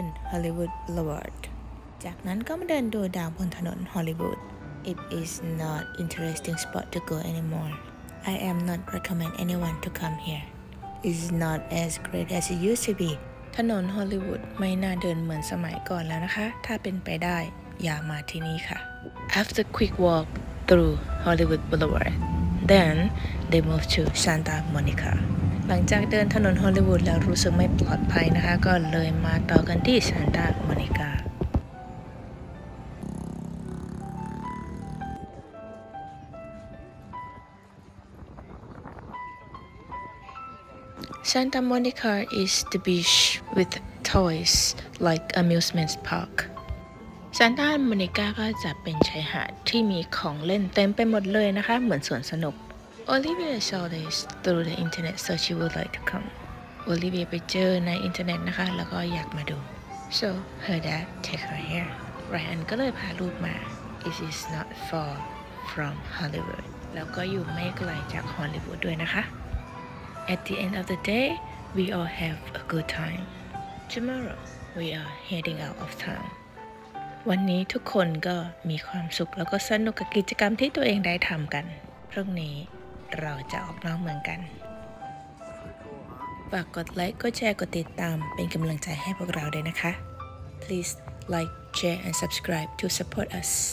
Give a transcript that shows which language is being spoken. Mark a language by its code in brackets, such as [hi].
[en] Hollywood Boulevard. [th] จากนั้นก็มาเดินดูดาวบนถนนฮอลลีวูด [en] It is not interesting spot to go anymore. I am not recommend anyone to come here. It's not as great as it used to be. [th] ถนนฮอลลีวูดไม่น่าเดินเหมือนสมัยก่อนแล้วนะคะถ้าเป็นไปได้อย่ามาที่นี่ค่ะ [en] After quick walk through Hollywood Boulevard, then they moved to Santa Monica. [th] หลังจากเดินถนนฮอลลีวูดแล้วรู้สึกไม่ปลอดภัยนะคะก็เลยมาต่อกันที่ซานตาโมนิกา [en] ซานตาโมนิกา is the beach with toys like amusement park [th] ซานตาโมนิกาก็จะเป็นชายหาดที่มีของเล่นเต็มไปหมดเลยนะคะเหมือนสวนสนุก [en] Olivia saw this through the internet, so she would like to come. [th] Olivia ไปเจอในอินเทอร์เน็ตนะคะแล้วก็อยากมาดู [en] So her dad take her here. [th] Ryan ก็เลยพาลูกมา [en] It is not far from Hollywood. [th] แล้วก็อยู่ไม่ไกลจากฮอลลีวูดด้วยนะคะ [en] At the end of the day, we all have a good time. Tomorrow, we are heading out of town. [th] วันนี้ทุกคนก็มีความสุขแล้วก็สนุกกับกิจกรรมที่ตัวเองได้ทำกันพรุ่งนี้เราจะออกนอกเมืองกันฝากกดไลค์กดแชร์กดติดตามเป็นกำลังใจให้พวกเราด้วยนะคะ [en] Please like, share and subscribe to support us